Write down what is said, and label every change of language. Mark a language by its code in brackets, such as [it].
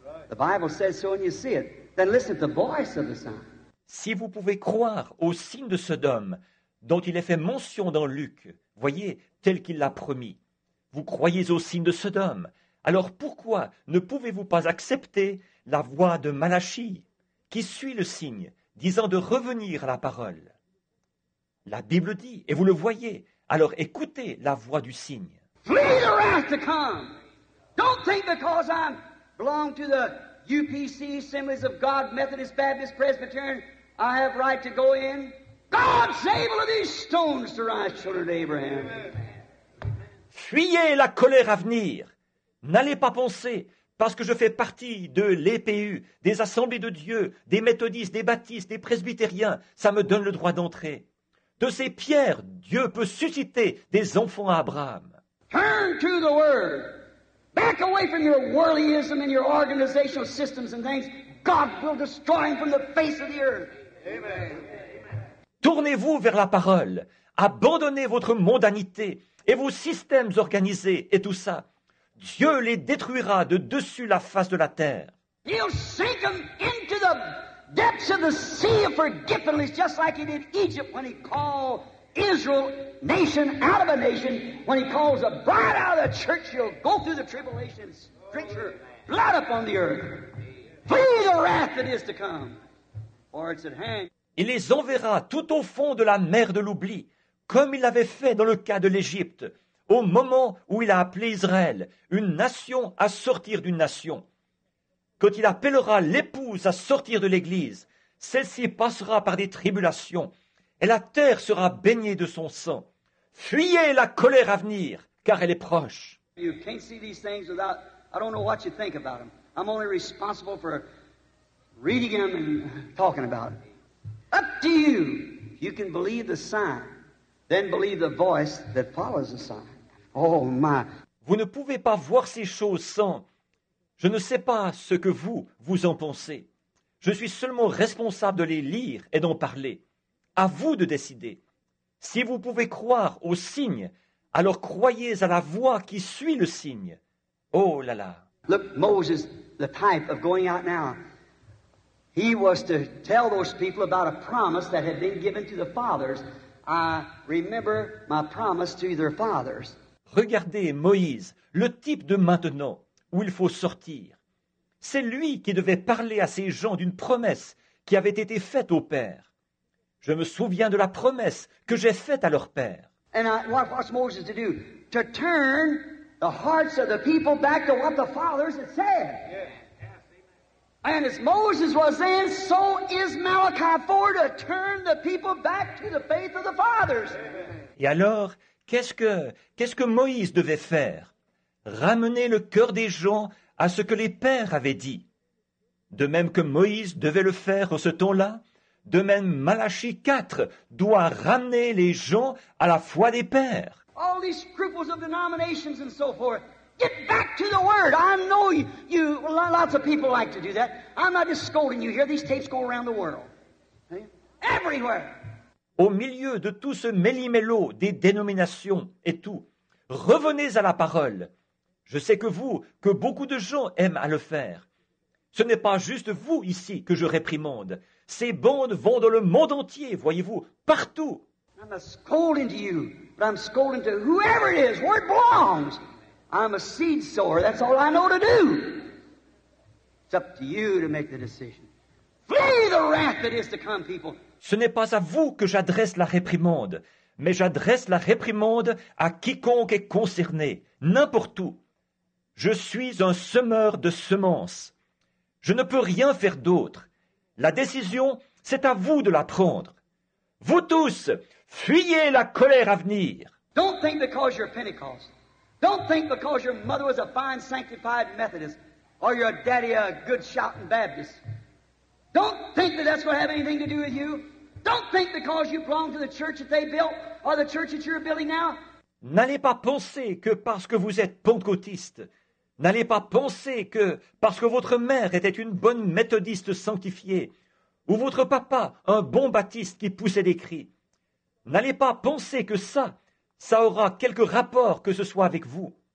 [en] The Bible says so and you see it. Then listen to the voice of the sign. [fr] Si vous pouvez croire au signe de Sodome, dont il est fait mention dans Luc, voyez, tel qu'il l'a promis, vous croyez au signe de Sodome, alors pourquoi ne pouvez-vous pas accepter la voix de Malachie, qui suit le signe, disant de revenir à la parole? La Bible dit, et vous le voyez, alors écoutez la voix du signe. [en] Flee the wrath to come. Don't think because I belong to the UPC, Assemblies of God, Methodist, Baptist, Presbyterian, I have right to go in. God's able of these stones to rise, children of Abraham. [fr] Fuyez la colère à venir. N'allez pas penser, parce que je fais partie de l'EPU, des assemblées de Dieu, des méthodistes, des baptistes, des presbytériens, ça me donne le droit d'entrer. De ces pierres, Dieu peut susciter des enfants à Abraham. [en] Turn to the Word. Back away from your worldlyism and your organizational systems and things. God will destroy him from the face of the earth. Amen. [fr] Tournez-vous vers la parole. Abandonnez votre mondanité et vos systèmes organisés et tout ça. Dieu les détruira de dessus la face de la terre. [en] He'll sink them into the depths of the sea of forgetfulness, just like he did Egypt when he called Israel, nation out of a nation, when he calls a bride out of the church, she'll go through the tribulation, drink her blood upon the earth. Flee the wrath that is to come, for it's at hand. [fr] Il les enverra tout au fond de la mer de l'oubli, comme il l'avait fait dans le cas de l'Égypte, au moment où il a appelé Israël, une nation à sortir d'une nation. Quand il appellera l'épouse à sortir de l'église, celle-ci passera par des tribulations, et la terre sera baignée de son sang. Fuyez la colère à venir, car elle est proche. [en] You can't see these things without, I don't know what you think about them. I'm only responsible for reading them and talking about them. Up to you. You can believe the sign, then believe the voice that follows the sign. Oh my. [fr] Vous ne pouvez pas voir ces choses sans. Je ne sais pas ce que vous, vous en pensez. Je suis seulement responsable de les lire et d'en parler. À vous de décider. Si vous pouvez croire au signe, alors croyez à la voix qui suit le signe. Oh là là. [en] Look, Moses, the type of going out now. He was to tell those people about a promise that had been given to the fathers. I remember my promise to their fathers. [fr] Regardez Moïse, le type de maintenant où il faut sortir. C'est lui qui devait parler à ces gens d'une promesse qui avait été faite au père. Je me souviens de la promesse que j'ai faite à leur père. [en] And what's Moses to do? To turn the hearts of the people back to what the fathers had said. Yeah. And as Moses was then, so is Malachi 4, to turn the people back to the faith of the fathers. [fr] Et alors, qu'est-ce que Moïse devait faire? Ramener le cœur des gens à ce que les pères avaient dit. De même que Moïse devait le faire en ce temps-là, de même, Malachie 4 doit ramener les gens à la foi des pères. [en] All these scruples of denominations and so forth. Get back to the Word. I know you. Lots of people like to do that. I'm not just scolding you here. These tapes go around the world. Everywhere. [fr] Au milieu de tout ce méli-mélo des dénominations et tout, revenez à la parole. Je sais que vous, que beaucoup de gens aiment à le faire. Ce n'est pas juste vous ici que je réprimande. Ces bandes vont dans le monde entier, voyez-vous, partout. [en] I'm not scolding to you, but I'm scolding to whoever it is, where it belongs. I'm a seed sower, that's all I know to do. It's up to you to make the decision. Flee the wrath that is to come, people. [fr] Ce n'est pas à vous que j'adresse la réprimande, mais j'adresse la réprimande à quiconque est concerné, n'importe où. Je suis un semeur de semences. Je ne peux rien faire d'autre. La décision, c'est à vous de la prendre. Vous tous, fuyez la colère à venir. [en] Don't think because you're Pentecost. Don't think because your mother was a fine sanctified Methodist or your daddy a good shouting Baptist. Don't think that that's going to have anything to do with you. Don't think because you belong to the church that they built or the church that you're building now. [fr] N'allez pas penser que parce que vous êtes pentecôtiste, n'allez pas penser que parce que votre mère était une bonne méthodiste sanctifiée ou votre papa un bon baptiste qui poussait des cris, n'allez pas penser que ça aura quelque rapport que ce soit avec vous.